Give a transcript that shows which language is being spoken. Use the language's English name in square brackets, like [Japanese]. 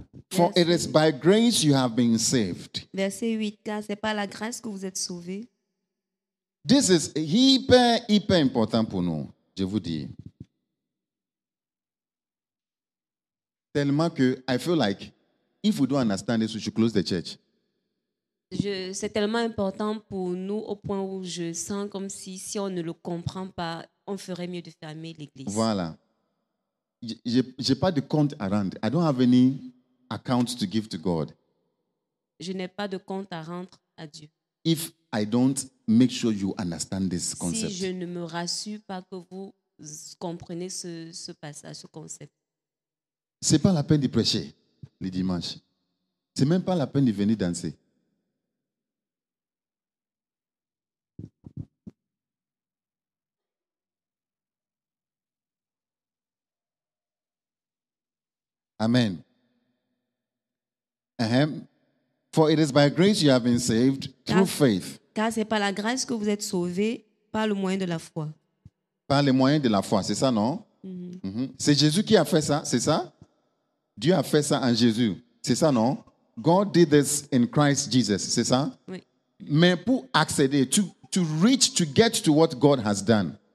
[English] For it is by grace you have been saved. [French] Verset 8. Car c'est par la grâce que vous êtes sauvés. [English] This is hyper, hyper important [French] pour nous, je vous dis. Tellement que [English] I feel like if we don't understand this, we should close the church. [French] C'est tellement important pour nous au point où je sens comme si on ne le comprend pas, on ferait mieux de fermer l'église. Voilà. J'ai pas de compte à rendre. [English] I don't have any account to give to God. [French] Je n'ai pas de compte à rendre à Dieu. [English] If I don't make sure you understand this concept. [French] Si je ne me rassure pas que vous comprenez ce passage, ce concept. C'est pas la peine de prêcher les dimanches. C'est même pas la peine de venir danser. [English] Amen. Uh-huh. For it is by grace you have been saved through faith. [French] Car c'est par la grâce que vous êtes sauvés par le moyen de la foi. Par le moyen de la foi, c'est ça, non? Mm-hmm. Mm-hmm. C'est Jésus qui a fait ça, c'est ça? Dieu a fait ça en Jésus, c'est ça, non? [English] God did this in Christ Jesus, [French] c'est ça? Oui. Mais pour accéder, [English] to reach, to get to what God has done.